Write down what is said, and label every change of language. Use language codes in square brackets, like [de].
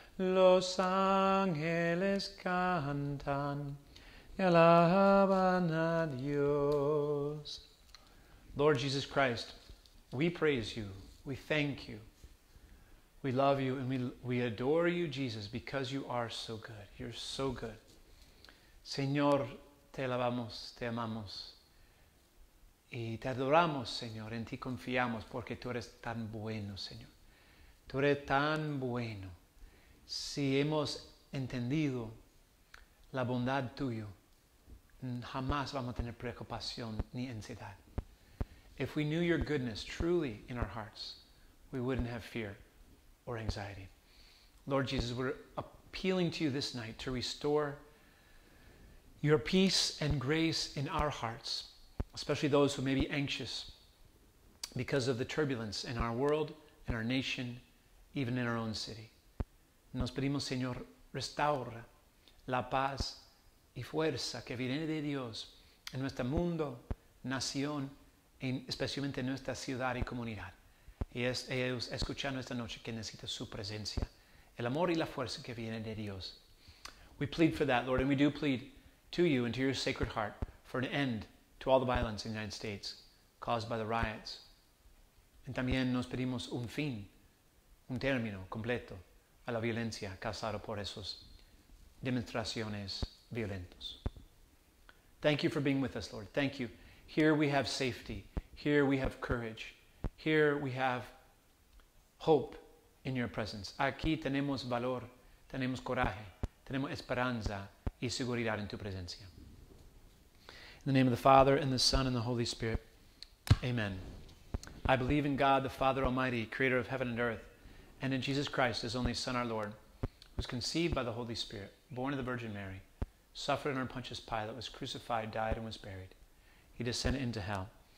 [es] Los ángeles cantan y alaban a Dios. [en] Lord Jesus Christ, we praise you, we thank you, we love you, and we adore you, Jesus, because you are so good. You're so good. [es] Señor, te alabamos, te amamos, y te adoramos, Señor, en ti confiamos, porque tú eres tan bueno, Señor. Tú eres tan bueno. Si hemos entendido la bondad tuya, jamás vamos a tener preocupación ni ansiedad. [en] If we knew your goodness truly in our hearts, we wouldn't have fear or anxiety. Lord Jesus, we're appealing to you this night to restore your peace and grace in our hearts, especially those who may be anxious because of the turbulence in our world, in our nation, even in our own city. [es] Nos pedimos, Señor, restaura la paz y fuerza que viene de Dios en nuestro mundo, nación, especialmente en nuestra ciudad y comunidad. Y ellos escuchando esta noche que necesita su presencia, el amor y la fuerza que viene de Dios. [en] We plead for that, Lord, and we do plead to you and to your sacred heart for an end to all the violence in the United States caused by the riots. [es] Y también nos pedimos un fin, un término completo a la violencia causada por esas demostraciones violentas. [en] Thank you for being with us, Lord. Thank you. Here we have safety. Here we have courage. Here we have hope in your presence. [es] Aquí tenemos valor, tenemos coraje, tenemos esperanza y seguridad en tu presencia. [en] In the name of the Father, and the Son, and the Holy Spirit. Amen. I believe in God, the Father Almighty, creator of heaven and earth, and in Jesus Christ, his only Son, our Lord, who was conceived by the Holy Spirit, born of the Virgin Mary, suffered under Pontius Pilate, was crucified, died, and was buried. He descended into hell.